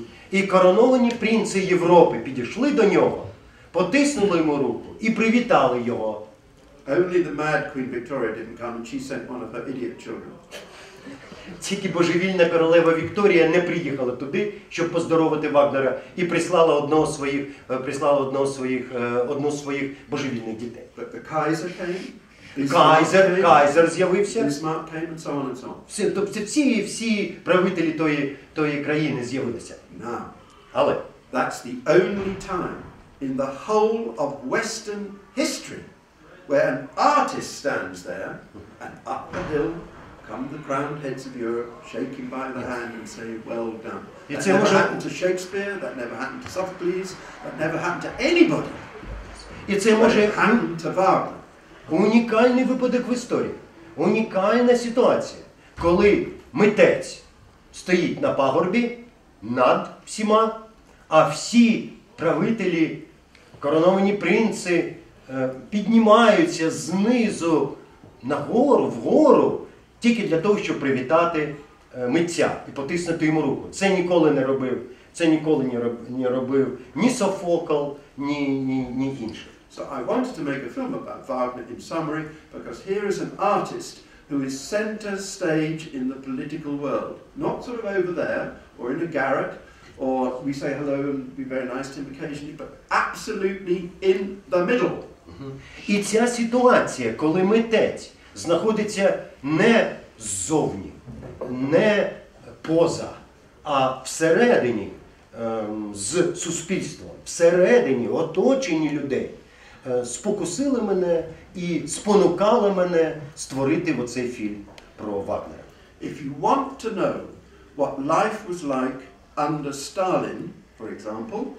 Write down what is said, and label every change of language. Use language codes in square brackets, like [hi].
[uk] І короновані принці Європи підійшли до нього, потиснули йому руку і привітали його. [en] Only the mad Queen Victoria didn't come, and she sent one of her idiot children. [uk] Тільки божевільна королева Вікторія не приїхала туди, щоб поздоровити Вагнера, і прислала одного своїх, одну з своїх божевільних дітей. [en] But the Kaiser came. [uk] Кайзер з'явився. [en] Bismarck came and so on and so on. [uk] Всі, тобто всі правителі тої країни з'явилися. [en] Now, [uk] але [en] that's the only time in the whole of Western history where an artist stands there and up the hill come the crowned heads of Europe shaking by the hand and say, well done. That never happened to Shakespeare, that never happened to Sophocles, that never happened to anybody. [uk] І це може [en] happened to Wagner. [uk] Унікальний випадок в історії, унікальна ситуація, коли митець стоїть на пагорбі над всіма, а всі правителі, короновані принци, піднімаються знизу нагору, вгору, тільки для того, щоб привітати митця і потиснути йому руку. Це ніколи не робив, ні Софокл, ні інше. [en] So I wanted to make a film about Wagner in summary, because here is an artist who is center stage in the political world. Not sort of over there, or in a garret, or we say hello and be very nice to him occasionally, but absolutely in the middle. [uk] І ця ситуація, коли митець знаходиться не ззовні, не поза, а всередині з суспільством, всередині оточенні людей, спокусили мене і спонукали мене створити оцей фільм про Вагнера. [en] If you want to know what life was like under Stalin, for example,